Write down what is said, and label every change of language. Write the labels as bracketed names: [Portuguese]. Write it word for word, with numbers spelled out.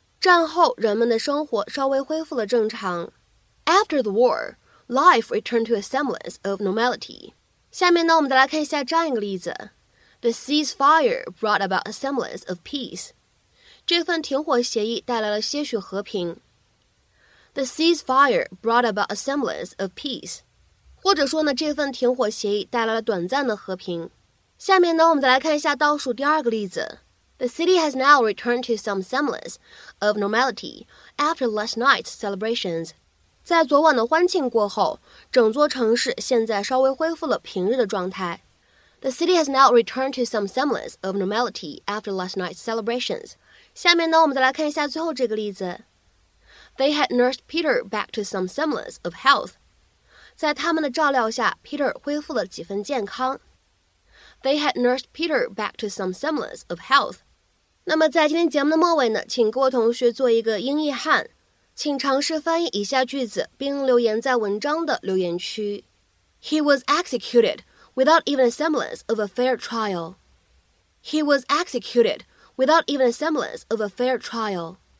[Chinese] 战后，人们的生活稍微恢复了正常。 [English] After the war. Life returned to a semblance of normality. [Chinese] 下面呢，我们再来看一下这样一个例子。 The ceasefire brought about a semblance of peace. 这份停火协议带来了些许和平。 [English] The ceasefire brought about a semblance of peace. [Chinese] 或者说呢，这份停火协议带来了短暂的和平。下面呢，我们再来看一下倒数第二个例子。 [English] The city has now returned to some semblance of normality after last night's celebrations. [Chinese] 在昨晚的欢庆过后，整座城市现在稍微恢复了平日的状态。 [English] The city has now returned to some semblance of normality after last night's celebrations. [Chinese] 下面呢，我们再来看一下最后这个例子。 [English] They had nursed Peter back to some semblance of health. [Chinese] 在他们的照料下 ，Peter 恢复了几分健康。 [English] They had nursed Peter back to some semblance of health. [Chinese] 那么在今天节目的末尾呢，请各位同学做一个英译汉。请尝试翻译以下句子，并留言在文章的留言区。 [English] He was executed without even a semblance of a fair trial. He was executed without even a semblance of a fair trial.